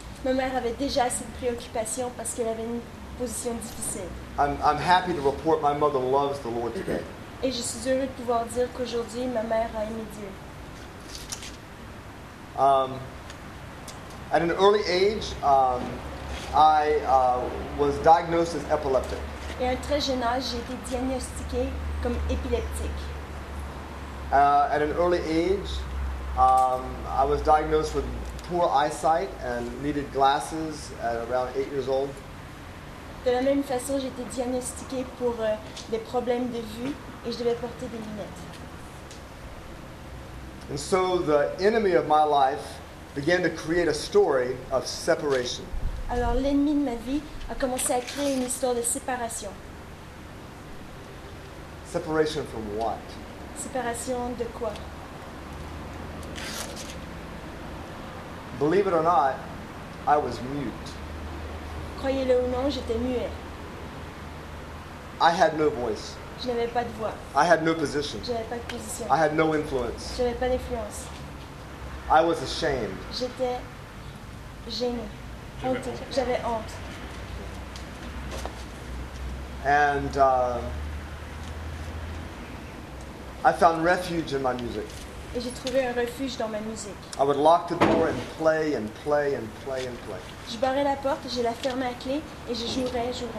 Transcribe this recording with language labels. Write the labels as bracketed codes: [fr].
[fr] Ma mère avait déjà assez de préoccupations parce qu'elle avait une position difficile. [en] I'm happy to report my mother loves the Lord today. [fr] Et je suis heureux de pouvoir dire qu'aujourd'hui ma mère a aimé Dieu. [en] At an early age, was diagnosed as epileptic. [fr] Et à un très jeune âge, j'ai été diagnostiqué comme épileptique. [en] At an early age, I was diagnosed with poor eyesight and needed glasses at around 8 years old. [fr] De la même façon, j'ai été diagnostiqué pour des problèmes de vue et je devais porter des lunettes. [en] And so the enemy of my life began to create a story of separation. [fr] Alors l'ennemi de ma vie a commencé à créer une histoire de séparation. [en] Separation from what? [fr] Séparation de quoi? [en] Believe it or not, I was mute. [fr] Croyez-le ou non, j'étais muet. [en] I had no voice. [fr] Je n'avais pas de voix. [en] I had no position. [fr] Je n'avais pas de position. [en] I had no influence. [fr] Je n'avais pas d'influence. [en] I was ashamed. [fr] J'étais gêné. Honte. J'avais honte. [en] And I found refuge in my music. [fr] Et j'ai trouvé un refuge dans ma musique. [en] I would lock the door and play and play and play and play. [fr] Je barrais la porte, je la fermais à clé et je jouerais.